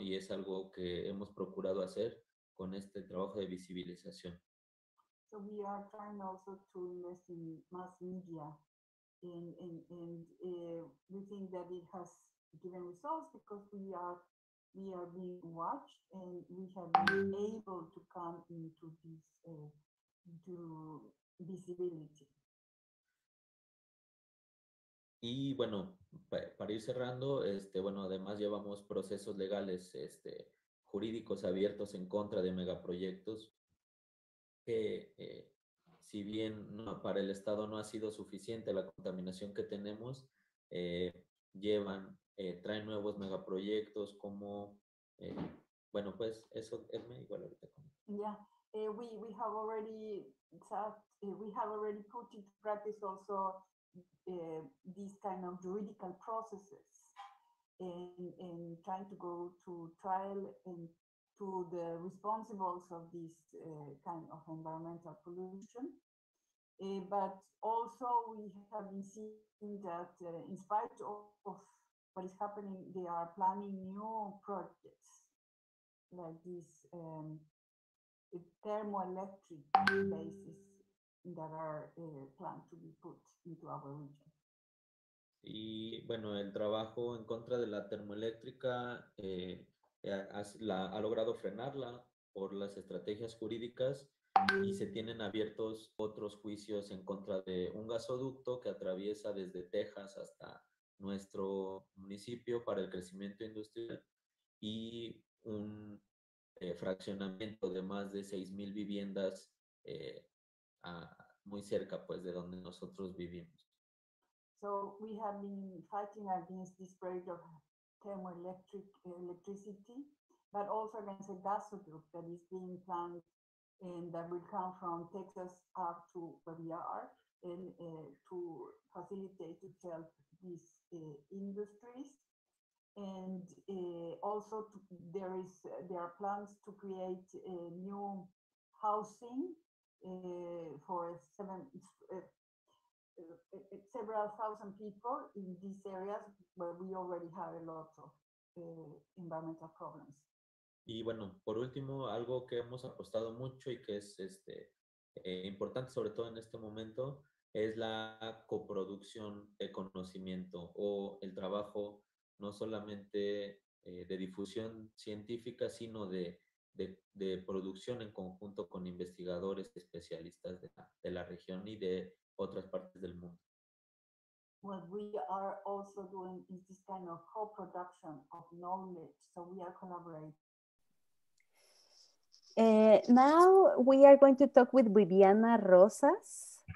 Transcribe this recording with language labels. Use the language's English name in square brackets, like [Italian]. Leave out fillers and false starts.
[Spanish] Y es algo que hemos procurado hacer con este trabajo de visibilización. [English] So we are trying also to invest in mass media, and we think that it has given results because we are being watched and we have been able to come into this to visibility. [Spanish] Y bueno, para ir cerrando, bueno, además llevamos procesos legales jurídicos abiertos en contra de megaproyectos, que si bien no, para el Estado no ha sido suficiente la contaminación que tenemos, traen nuevos megaproyectos como, bueno, pues eso es igual ahorita. [English] Yeah, we have already put into practice also these kind of juridical processes and trying to go to trial and to the responsibles of this kind of environmental pollution. But also we have been seeing that in spite of what is happening, they are planning new projects like this thermoelectric bases that are planned to be put into our region. [Spanish] Y bueno, el trabajo en contra de la termoeléctrica ha logrado frenarla por las estrategias jurídicas y se tienen abiertos otros juicios en contra de un gasoducto que atraviesa desde Texas hasta nuestro municipio para el crecimiento industrial y un fraccionamiento de más de 6,000 viviendas muy cerca pues de donde nosotros vivimos. [English] So we have been fighting against this spread of thermoelectric electricity, but also against a gasoduct that is being planned and that will come from Texas up to where we are and to facilitate to help these industries. And also there are plans to create a new housing for several thousand people in these areas where we already have a lot of environmental problems. [Spanish] Y bueno, por último, algo que hemos apostado mucho y que es importante, sobre todo en este momento, es la coproducción de conocimiento o el trabajo no solamente de difusión científica, sino de producción en conjunto con investigadores especialistas de la región y de otras partes del mundo. [English] What we are also doing is this kind of co-production of knowledge, so we are collaborating. Now we are going to talk with Viviana Rosas.